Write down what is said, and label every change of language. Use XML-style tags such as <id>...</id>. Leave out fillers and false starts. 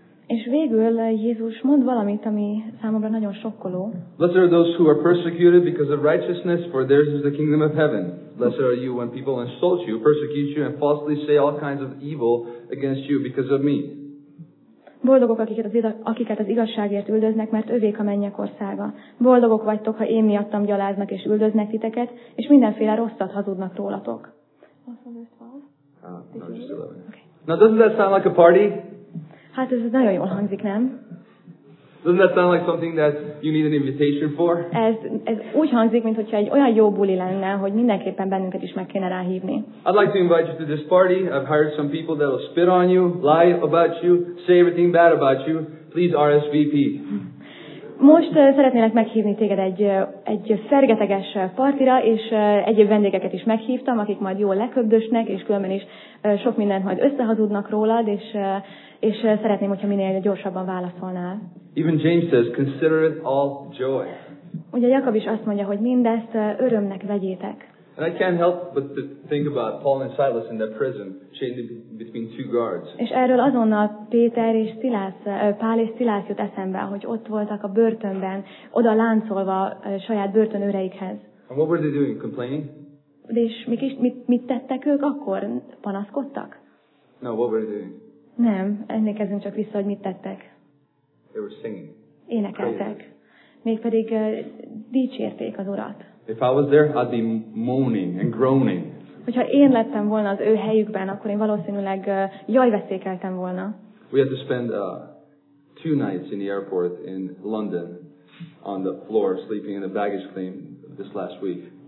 <hu>És végül Jézus mond valamit, ami számomra nagyon sokkoló.</hu> <en>Blessed are those who are persecuted because of righteousness, for theirs is the kingdom of heaven. Blessed are you when people insult you, persecute you, and falsely say all kinds of evil against you because of me.</en> <hu>Boldogok, akiket az igazságért üldöznek, mert övék a mennyek országa. Boldogok vagytok, ha én miattam gyaláznak és üldöznek titeket, és mindenféle rosszat hazudnak rólatok.</hu> <en>Now doesn't that sound like a party?</en> <hu>Hát ez nagyon jól hangzik, nem?</hu> <en>Doesn't that sound like something that you need an invitation for?</en> <hu>Ez úgy hangzik, mint hogyha egy olyan jó buli lenne, hogy mindenképpen bennünket is meg kéne ráhívni.</hu> <en>I'd like to invite you to this party. I've hired some people that will spit on you, lie about you, say everything bad about you. Please RSVP.</en> <hu>Most szeretnélek meghívni téged egy fergeteges partira, és egyéb vendégeket is meghívtam, akik majd jól leköpdösnek, és különben is sok mindent majd összehazudnak rólad, és szeretném, hogyha minél gyorsabban válaszolnál.</hu> <en>Even James says, consider it all joy.</en> <hu>Ugye Jakab is azt mondja, hogy mindezt örömnek vegyétek.</hu> <en>And I can't help but to think about Paul and Silas in that prison, chained between two guards.</en> <hu>És erről azonnal Péter és Szilász, Pál és Szilász jut eszembe, hogy ott voltak a börtönben, oda láncolva saját börtönőreikhez.</hu> <en>And what were they doing? Complaining?</en> <hu>És mit tettek ők akkor? Panaszkodtak?</hu> <en>No, what were they doing?</en> <hu>Nem, emlékezzünk csak vissza, hogy mit tettek.</hu> <en>They were singing.</en> <hu>Énekeltek. Mégpedig dicsérték az Urat.</hu> <en>If I was there, I'd be moaning and groaning.</en> <hu>Hogyha én lettem volna az ő helyükben, akkor én valószínűleg jajveszékeltem volna.</hu> <en>We had to spend two nights in the airport in London on the floor sleeping in a baggage claim this last week.</en>